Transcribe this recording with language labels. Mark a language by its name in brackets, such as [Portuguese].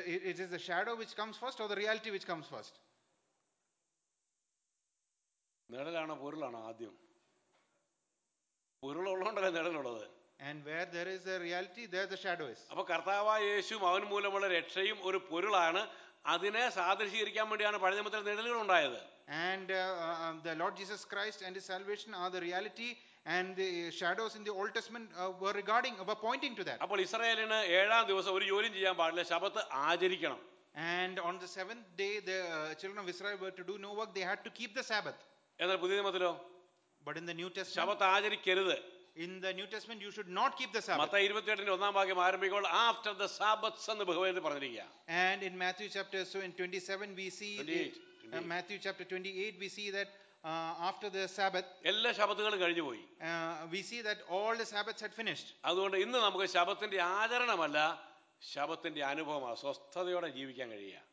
[English] It is the shadow which comes first or the reality which comes first. [Malayalam] നിഴലാണോ പൊരുളാണോ ആദ്യം? പൊരുളുള്ളതുകൊണ്ടല്ലേ നിഴലുള്ളത്. [English] And where there is a reality, there the shadow is. [Malayalam] അപ്പോൾ കർത്താവായ യേശുവും അവൻ മൂലമുള്ള രക്ഷയും ഒരു പൊരുളാണ്. അതിനെ സാദൃശ്യീകരിക്കാൻ വേണ്ടിയാണ് പഴയ നിയമത്തിൽ നിഴലുകൾ ഉണ്ടായത്. [English] And the Lord Jesus Christ and his salvation are the reality, and the shadows in the Old Testament were regarding, were pointing to that. [Malayalam] അപ്പോൾ ഇസ്രായേലിന് ഏഴാം ദിവസം ഒരു ജോലിയും ചെയ്യാൻ പാടില്ല, ശബത്ത് ആചരിക്കണം. [English] And on the seventh day the children of Israel were to do no work, they had to keep the Sabbath. [Malayalam] എന്നാൽ പുതിയ നിയമത്തിലോ? [English] But in the New Testament [Malayalam] ശബത്ത് ആചരിക്കരുത്. [English] In the New Testament you should not keep the Sabbath. [Malayalam] Mathai 28:1 ആം ഭാഗം ആരംഭിക്കുമ്പോൾ [English] after the Sabbath [Malayalam] എന്ന് ബഹുവചനം പറഞ്ഞിരിക്കുക. [English] And in Matthew chapter 27 we see Matthew chapter 28 we see that after the Sabbath [Malayalam] എല്ലാ ശബത്തുകളും കഴിഞ്ഞു പോയി. [English] We see that all the Sabbaths had finished. [Malayalam] അതുകൊണ്ട് ഇന്ന് നമുക്ക് ശബത്തിന്റെ ആചരണമല്ല, ശബത്തിന്റെ അനുഭവമാണ്, സ്വസ്ഥതയോടെ ജീവിക്കാൻ കഴിയുക.